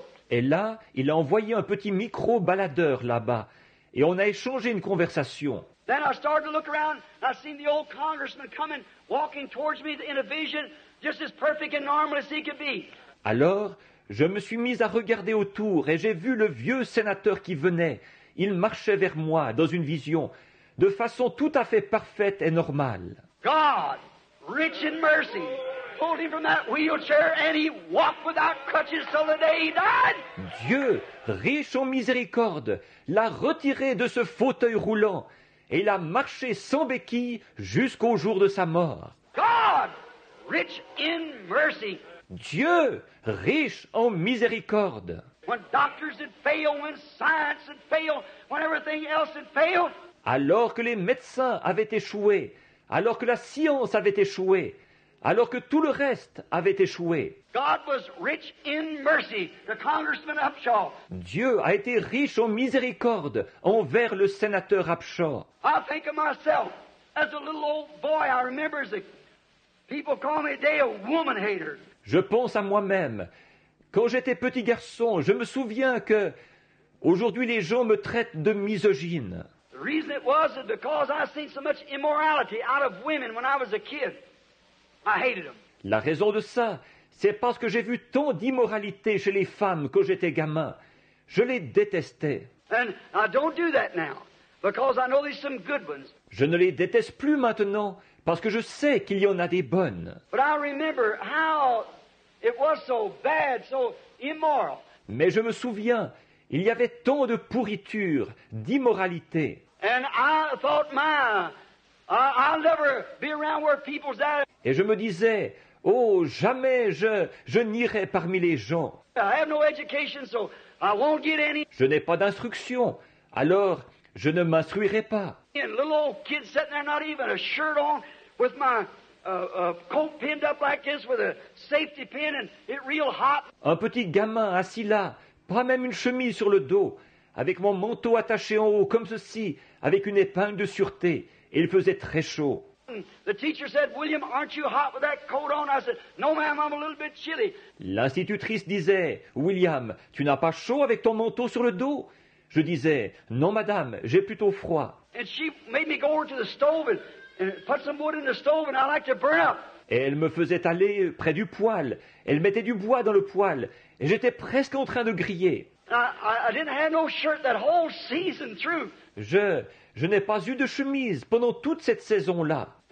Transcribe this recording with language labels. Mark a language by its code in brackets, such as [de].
[fr] Et là, il a envoyé un petit micro baladeur là-bas et on a échangé une conversation. [en] Then I started to look around and I seen the old congressman coming, walking towards me in a vision, just as perfect and normal as he could be. [fr] Alors, je me suis mis à regarder autour et j'ai vu le vieux sénateur qui venait. Il marchait vers moi dans une vision, de façon tout à fait parfaite et normale. [en] God, rich in mercy, pulled him from that wheelchair and he walked without crutches till the day he died. [fr] Dieu, riche en miséricorde, l'a retiré de ce fauteuil roulant. Et il a marché sans béquille jusqu'au jour de sa mort. [en] God, rich in mercy. [fr] Dieu, riche en miséricorde. [en] When doctors had failed, when science had failed, when everything else had failed. [fr] Alors que les médecins avaient échoué, alors que la science avait échoué, alors que tout le reste avait échoué. [en] God was rich in mercy, the Congressman Upshaw. [fr] Dieu a été riche en miséricorde envers le sénateur Upshaw. [en] I think of myself as a little old boy. I remember that people call me today a woman hater. [fr] Je pense à moi-même. Quand j'étais petit garçon, je me souviens que aujourd'hui les gens me traitent de misogyne. [en] The reason it was is because I seen so much immorality out of women when I was a kid. I hated them. [fr] La raison de ça, c'est parce que j'ai vu tant d'immoralité chez les femmes quand j'étais gamin. Je les détestais. [en] And I don't do that now because I know there's some good ones. [fr] Je ne les déteste plus maintenant parce que je sais qu'il y en a des bonnes. [en] But I remember how it was so bad, so immoral. [fr] Mais je me souviens, il y avait tant de pourriture, d'immoralité. [en] And I thought I'll never be around where people's at. [fr] Et je me disais, oh, jamais je n'irai parmi les gens. [en] I have no education, so I won't get any. [fr] Je n'ai pas d'instruction, alors je ne m'instruirai pas. [en] And a little old kid sitting there, not even a shirt on, with my coat pinned up like this, with a safety pin, and it real hot. [fr] Un petit gamin assis là, pas même une chemise sur le dos, avec mon manteau attaché en haut comme ceci, avec une épingle de sûreté. Et il faisait très chaud. [en] The teacher said, William, aren't you hot with that coat on? I said, no, ma'am, I'm a little bit chilly. [fr] L'institutrice disait, William, tu n'as pas chaud avec ton manteau sur le dos? Je disais, non, madame, j'ai plutôt froid. [en] And she made me go over to the stove and put some wood in the stove and I like to burn up. [fr] Et elle me faisait aller près du poêle. Elle mettait du bois dans le poêle et j'étais presque en train de griller. [en] I didn't have no shirt that whole season through. [fr] Je n'ai pas eu de chemise pendant toute cette saison-là.